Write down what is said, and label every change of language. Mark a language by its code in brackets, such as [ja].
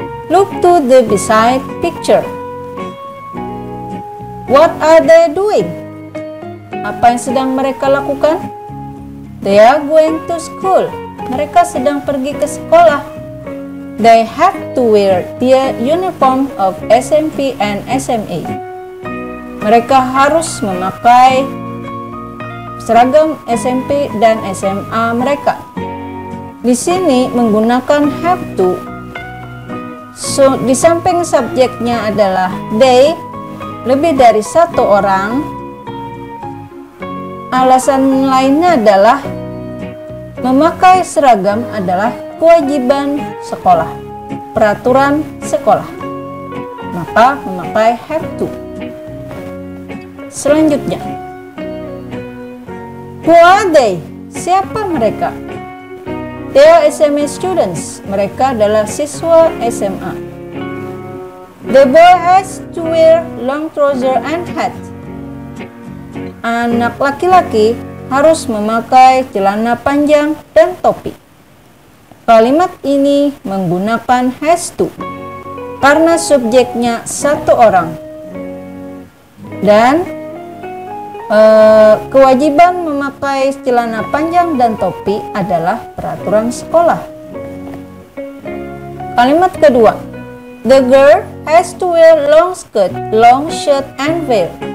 [en] Look to the beside picture. What are they doing? [id] Apa yang sedang mereka lakukan? [en] They are going to school. [id] Mereka sedang pergi ke sekolah. [en] They have to wear their uniform of SMP and SMA. [id] Mereka harus memakai seragam SMP dan SMA mereka. Di sini menggunakan have to. So, di samping subjeknya adalah they, lebih dari satu orang. Alasan lainnya adalah memakai seragam adalah kewajiban sekolah, peraturan sekolah. Maka memakai have to. Selanjutnya, [en] who are they? [id] Siapa mereka? [en] They are SMA students. [id] Mereka adalah siswa SMA. [en] The boy has to wear long trousers and hat. [id] Anak laki-laki harus memakai celana panjang dan topi. Kalimat ini menggunakan has to karena subjeknya satu orang. Dan kewajiban memakai celana panjang dan topi adalah peraturan sekolah. Kalimat kedua, [en] the girl has to wear long skirt, long shirt, and veil.